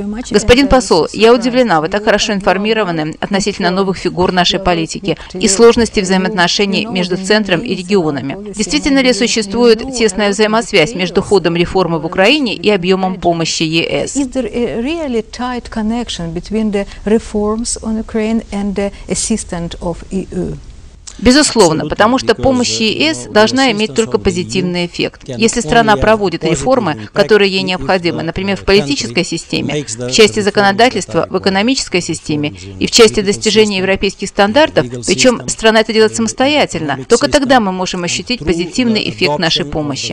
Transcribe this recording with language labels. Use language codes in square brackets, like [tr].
[ru] Господин посол, я удивлена, вы так хорошо информированы относительно новых фигур нашей политики и сложности взаимоотношений между центром и регионами. Действительно ли существует тесная взаимосвязь между ходом реформы в Украине и объемом помощи ЕС? [en] Is there a really tight connection between the reforms on Ukraine and the assistance of EU? [ru] Безусловно, потому что помощь ЕС должна иметь только позитивный эффект. Если страна проводит реформы, которые ей необходимы, например, в политической системе, в части законодательства, в экономической системе и в части достижения европейских стандартов, причем страна это делает самостоятельно, только тогда мы можем ощутить позитивный эффект нашей помощи.